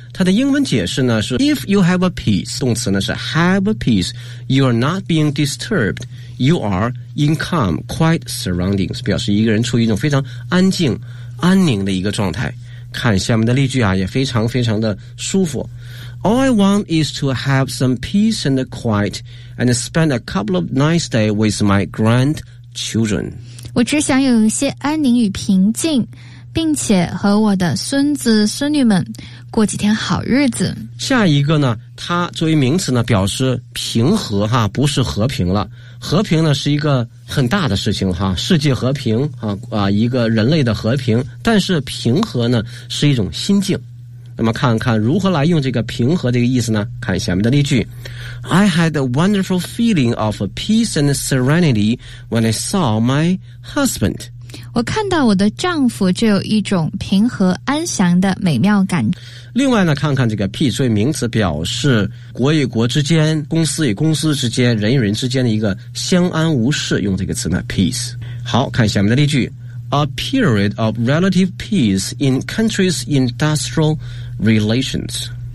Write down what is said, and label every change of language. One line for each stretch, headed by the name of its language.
Chinese: 它的英文解释呢是
English: ：If you have a peace，
Chinese: 动词呢是
English: have a peace， you are not being disturbed。 You are in calm, quiet surroundings，
Chinese: 表示一个人处于一种非常安静、安宁的一个状态。看下面的例句啊，也非常非常的舒服。
English: All I want is to have some peace and quiet, and spend a couple of nice days with my grandchildren。
Chinese: 我只想有一些安宁与平静，并且和我的孙子孙女们过几天好日子。下一个呢，它作为名词呢，表示平和哈，不是和平了。和平呢是一个很大的事情哈，世界和平啊，一个人类的和平。但是平和呢是一种心境。那么看看如何来用这个平和这个意思呢？看下面的例句
English: ：I had a wonderful feeling of peace and serenity when I saw my husband。
Chinese: 我看到我的丈夫就有一种平和安详的美妙感。另外呢，看看这个 peace 作为名词表示国与国之间、公司与公司之间、人与人之间的一个相安无事，用这个词呢 peace。好，看下面的例句
English: A period of relative peace in countries' industrial relations。